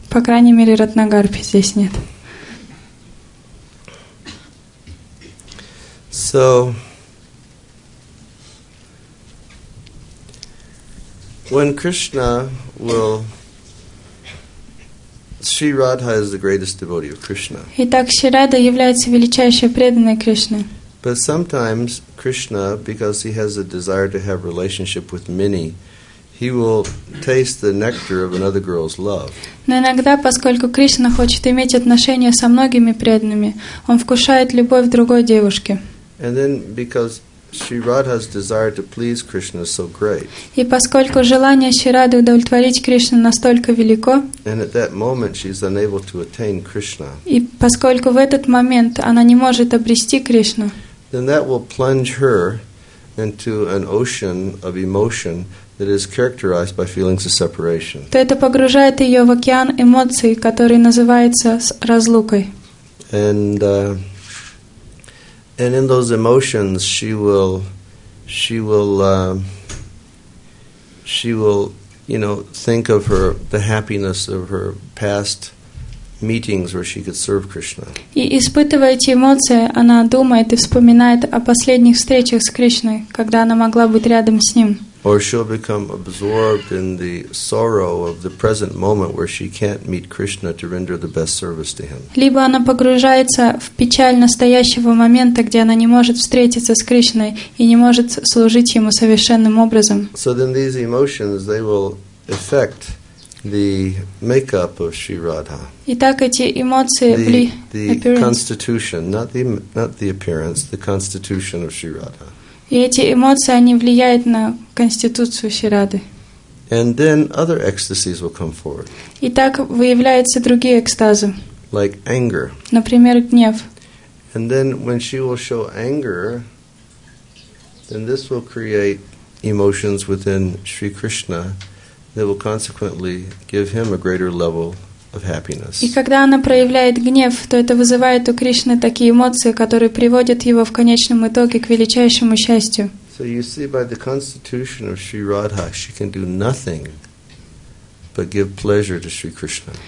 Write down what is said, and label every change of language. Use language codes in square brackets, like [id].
[ru] По крайней мере, Ратнагарбхи здесь нет. [en] So, when Krishna will, Sri Radha is the greatest devotee of Krishna. [ru] Итак, Шри Радха является величайшей преданной Кришны. [en] But sometimes Krishna, because he has a desire to have relationship with many, he will taste the nectar of another girl's love. [ru] Но иногда, поскольку Кришна хочет иметь отношения со многими преданными, он вкушает любовь другой девушки. [en] And then, because Sri Radha's desire to please Krishna is so great, [ru] и поскольку желание Шри Радхи удовлетворить Кришну настолько велико, [en] and at that moment she is unable to attain Krishna, [ru] и поскольку в этот момент она не может обрести Кришну, [en] then that will plunge her into an ocean of emotion that is characterized by feelings of separation. [ru] То это погружает ее в океан эмоций, который называется разлукой. [en] And in those emotions, she will, you know, think of the happiness of her past meetings where she could serve Krishna. [ru] И испытывая эти эмоции, она думает и вспоминает о последних встречах с Кришной, когда она могла быть рядом с ним. [en] Or she'll become absorbed in the sorrow of the present moment where she can't meet Krishna to render the best service to him. [ru] Либо она погружается в печаль настоящего момента, где она не может встретиться с Кришной и не может служить ему совершенным образом. [en] So then these emotions, they will affect the makeup of Sri Radha. [ru] Итак, эти эмоции [en] the constitution, not the appearance, the constitution of Sri Radha. [ru] И эти эмоции, они влияют на конституцию Шри Радхи. [en] And then other ecstasies will come forward. [ru] И так выявляются другие экстазы. [en] Like anger. [ru] Например, гнев. [en] And then when she will show anger, then this will create emotions within Sri Krishna that will consequently give him a greater level of happiness. [ru] И когда она проявляет гнев, то это вызывает у Кришны такие эмоции, которые приводят его в конечном итоге к величайшему счастью. [en] So you see, by the constitution of Sri Radha, she can do nothing but give pleasure to Sri Krishna.